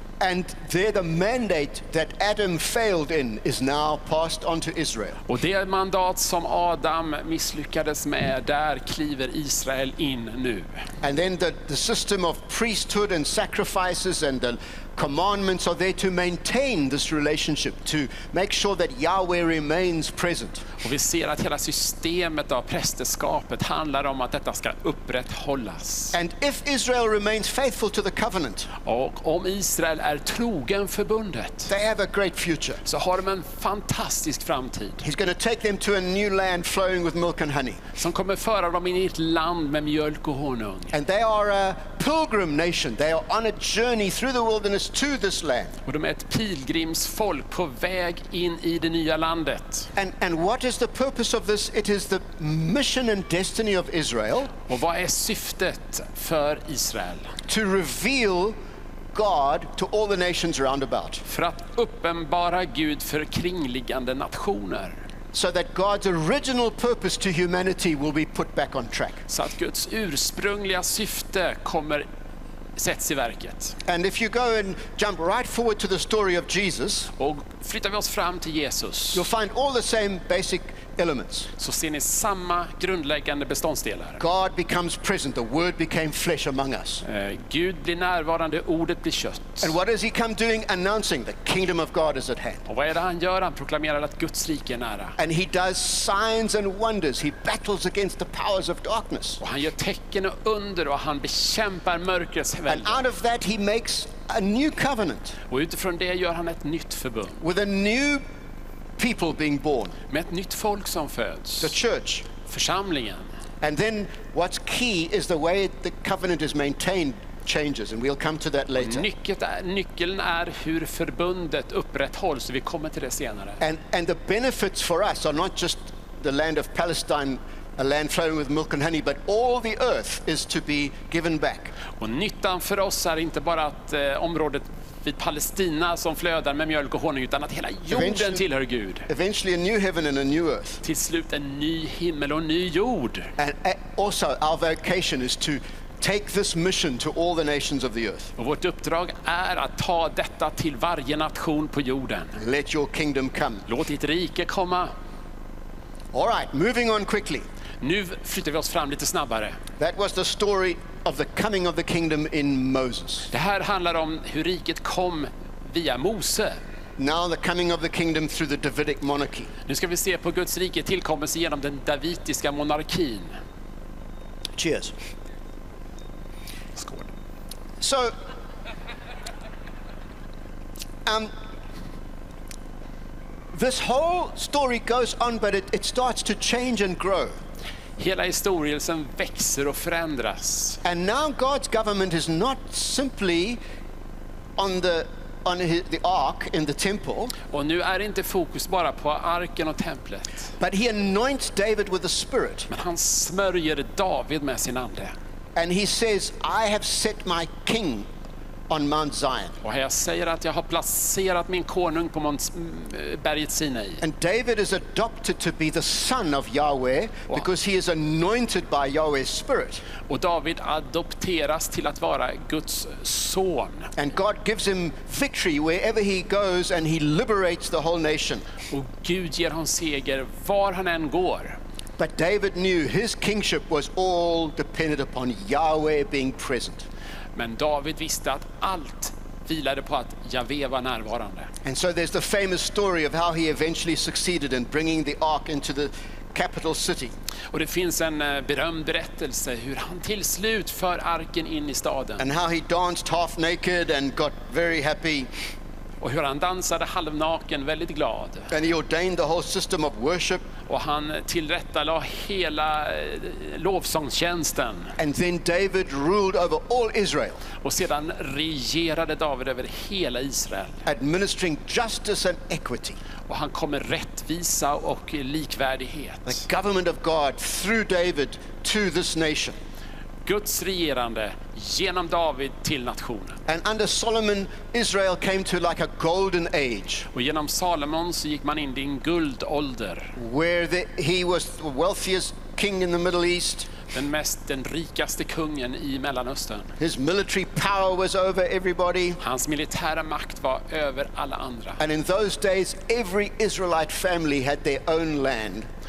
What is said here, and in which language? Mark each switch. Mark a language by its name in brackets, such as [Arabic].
[English] And there the mandate that Adam failed in is now passed on to Israel. [Swedish] Och det mandat som Adam misslyckades med, där kliver Israel in nu. [English] And then the system of priesthood and sacrifices and the commandments are there to maintain this relationship, to make sure that Yahweh remains present. [Swedish] Och vi ser att hela systemet av prästerskapet handlar om att detta ska upprätthållas. [English] And if Israel remains faithful to the covenant, [Swedish] och om Israel är trogen förbundet, [English] they have a great future. [Swedish] Så har de en fantastisk framtid. [English] He's going to take them to a new land flowing with milk and honey. [Swedish] Som kommer föra dem in i ett land med mjölk och honung. [English] And they are a pilgrim nation. They are on a journey through the wilderness to this land. [Swedish] Och de är ett pilgrimsfolk på väg in i det nya landet. [English] And what is the purpose of this? It is the mission and destiny of Israel. [Swedish] Och vad är syftet för Israel? [English] To reveal God to all the nations round about. [Swedish] För att uppenbara Gud för kringliggande nationer. [English] So that God's original purpose to humanity will be put back on track. [Swedish] Så att Guds ursprungliga syfte kommer sätts i verket. [English] And if you go and jump right forward to the story of Jesus, [Swedish] och flyttar vi oss fram till Jesus, [English] you'll find all the same basic elements. [Swedish] Så ser ni samma grundläggande beståndsdelar. [English] God becomes present, the word became flesh among us. [Swedish] Gud blir närvarande, ordet blir kött. [English] And what does he come doing? Announcing the kingdom of God is at hand. [Swedish] Och vad är det han gör? Han proklamerar att Guds rike är nära. [English] And he does signs and wonders. He battles against the powers of darkness. [Swedish] Och han gör tecken och under och han bekämpar mörkrets välde. [English] And out of that he makes a new covenant. [Swedish] Och utifrån det gör han ett nytt förbund. [English] With a new people being born. [Swedish] Med ett nytt folk som föds. [English] The church. [Swedish] Församlingen. [English] And then what's key is the way the covenant is maintained changes, and we'll come to that later. [Swedish] Nyckeln är hur förbundet upprätthålls, vi kommer till det senare. [English] And the benefits for us are not just the land of Palestine, a land flowing with milk and honey, but all the earth is to be given back. [Swedish] Och nyttan för oss är inte bara att området vid Palestina som flödar med mjölk och honung, utan att hela jorden [English] eventually [Swedish] tillhör Gud. [English] Eventually a new heaven and a new earth. [Swedish] Till slut en ny himmel och en ny jord. [English] And also our vocation is to take this mission to all the nations of the earth. [Swedish] Och vårt uppdrag är att ta detta till varje nation på jorden. [English] Let your kingdom come. [Swedish] Låt ditt rike komma. [English] All right, moving on quickly. [Swedish] Nu flyttar vi oss fram lite snabbare. [English] That was the story of the coming of the kingdom in Moses. [Swedish] Det här handlar om hur riket kom via Mose. [English] Now the coming of the kingdom through the Davidic monarchy. [Swedish] Nu ska vi se på Guds rike tillkommelse genom den davidiska monarkin. [English] Cheers. [Swedish] Skål. [English] So this whole story goes on, but it starts to change and grow. [Swedish] Hela historien växer och förändras. [English] And now God's government is not simply on the ark in the temple. [Swedish] Och nu är inte fokus bara på arken och templet. [English] But he anoints David with the Spirit. [Swedish] Men han smörjer David med sin ande. [English] And he says, I have set my king on Mount Zion. [Swedish] Och jag säger att jag har placerat min konung på berget Sinai. [English] And David is adopted to be the son of Yahweh because he is anointed by Yahweh's spirit. [Swedish] Och David adopteras till att vara Guds son. [English] And God gives him victory wherever he goes and he liberates the whole nation. [Swedish] Och Gud ger honom seger var han än går. [English] But David knew his kingship was all dependent upon Yahweh being present. [Swedish] Men David visste att allt vilade på att Jahve var närvarande. [English] And so there's the famous story of how he eventually succeeded in bringing the ark into the capital city. [Swedish] Och det finns en berömd berättelse hur han till slut för arken in i staden. [English] And how he danced half naked and got very happy. [Swedish] Och hur han dansade halvnaken väldigt glad. [English] And he ordained the whole system of worship. [Swedish] Och han tillrättalade hela lovsångstjänsten. [English] And then David ruled over all Israel. [Swedish] Och sedan regerade David över hela Israel. [English] Administering justice and equity. [Swedish] Och han kom med rättvisa och likvärdighet. [English] The government of God through David to this nation. [Swedish] Guds regerande genom David till nationen. [English] And under Solomon Israel came to like a golden age. [Swedish] Och genom Salomon så gick man in i en guldålder. [English] Where he was the wealthiest king in the Middle East. [Swedish] Den rikaste kungen i Mellanöstern. [English] His military power was over everybody. [Swedish] Hans militära makt var över alla andra. [English] And in those days every Israelite family had their own land.